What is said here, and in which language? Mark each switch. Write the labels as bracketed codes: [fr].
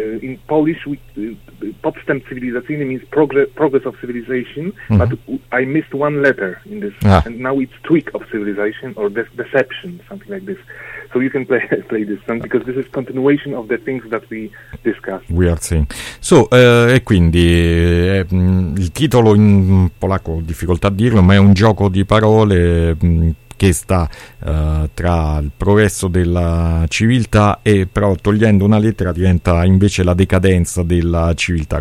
[en] In Polish, [pl] Podstęp cywilizacyjny [en] means progress of civilization, mm-hmm. but I missed one letter in this, and now it's tweak of civilization or deception, something like this. So you can play this song, because this is continuation of the things that we discussed. We are seeing. [it] So, e quindi, il titolo in polacco, ho difficoltà a dirlo, ma è un gioco di parole... che sta tra il progresso della civiltà e però togliendo una lettera diventa invece la decadenza della civiltà.